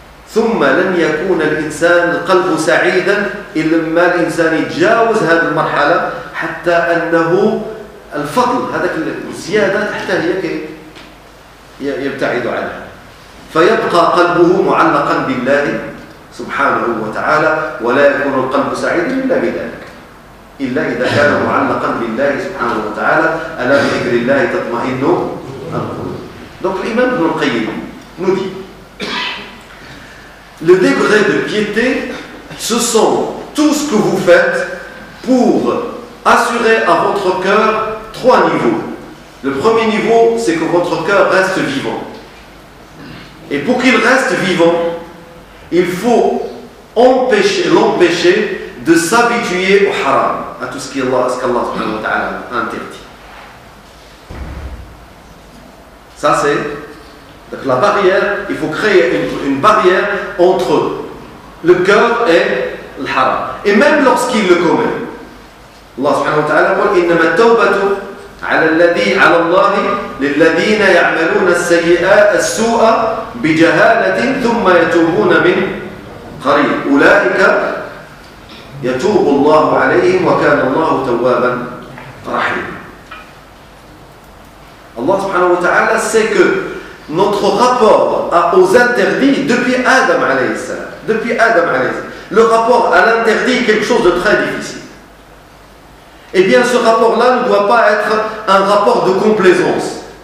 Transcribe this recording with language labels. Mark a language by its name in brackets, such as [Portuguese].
[Arabic] ثم لن يكون الإنسان قلبه سعيدا إلا ما الإنسان يتجاوز هذه المرحلة، حتى أنه الفضل هذاك الزيادة حتى هي يبتعد عنها، فيبقى قلبه معلقا بالله سبحانه وتعالى، ولا يكون القلب سعيدا إلا بذلك، إلا إذا كان معلقا بالله سبحانه وتعالى: ألا بذكر الله تطمئن القلوب. الإمام ابن القيم ندي [French] le degré de piété, ce sont tout ce que vous faites pour assurer à votre cœur trois niveaux. Le premier niveau, c'est que votre cœur reste vivant. Et pour qu'il reste vivant, il faut l'empêcher de s'habituer au haram, à tout ce qu'Allah interdit. Ça, c'est donc la barrière. Il faut créer une barrière entre le cœur et le haram. Et même lorsqu'il le commet, Allah subhanahu wa ta'ala dit: [Arabic] innama tawbatu على الله للذين يعملون السيئات السوء بجهالة ثم يتوبون من قريب أولئك يتوب الله عليهم وكان الله توابا رحيما. الله سبحانه وتعالى [French] sait que notre rapport aux interdits depuis Adam [Arabic] عليه السلام [French] le rapport à l'interdit est quelque chose de très difficile. Eh bien, ce rapport-là ne doit pas être un rapport de complaisance.